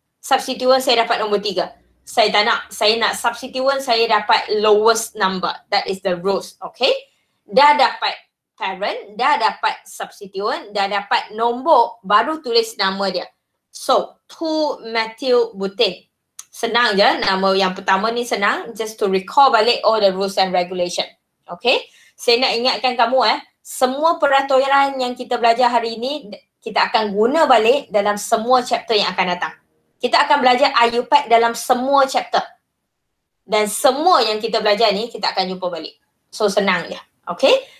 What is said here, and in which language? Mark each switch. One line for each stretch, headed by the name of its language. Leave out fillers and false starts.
Malay: Substituent saya dapat nombor 3. Saya tak nak, saya nak substituent saya dapat
English: lowest number. That is the rules, okay?
Malay: Dah dapat parent, dah dapat substituent, dah dapat nombor, baru tulis nama dia. So, 2-methylbutane. Senang je, nama yang pertama ni senang.
English: Just to recall
Malay: balik
English: all the rules and regulation, okay?
Malay: Saya nak ingatkan kamu semua peraturan yang kita belajar hari ini, kita akan guna balik dalam semua chapter yang akan datang. Kita akan belajar IUPAC dalam semua chapter. Dan semua yang kita belajar ni, kita akan jumpa balik. So, senang je. Okay?